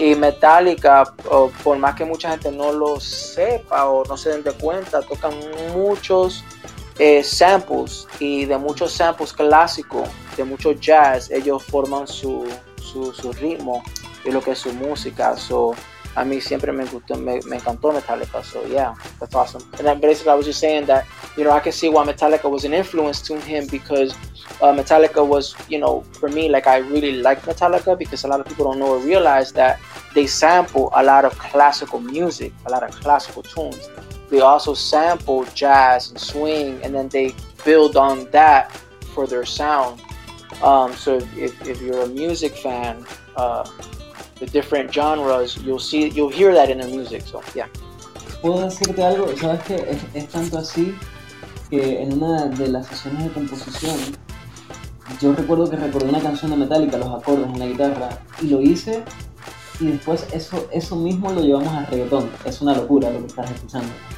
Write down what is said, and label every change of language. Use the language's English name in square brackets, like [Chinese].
[Spanish] Y Metallica, por más que mucha gente no lo sepa o no se den de cuenta, tocan muchos samples, y de muchos samples clásicos, de mucho jazz, ellos forman su ritmo y lo que es su música. So, a mí siempre me gustó, me encantó Metallica. [English] So, yeah, that's awesome. And then basically I was just saying that, you know, I can see why Metallica was an influence to him, because Metallica was, you know, for me, like, I really like Metallica because a lot of people don't know or realize that they sample a lot of classical music, a lot of classical tunes. They also sample jazz and swing, and then they build on that for their sound. So if you're a music fan, the different genres, you'll hear that in the music. So yeah. [Spanish] Puedo decirte algo, sabes que es tanto así que en una de las sesiones de composición, yo recuerdo que recordé una canción de Metallica, los acordes en la guitarra, y lo hice, y después eso mismo lo llevamos a reggaetón. Es una locura lo que estás escuchando.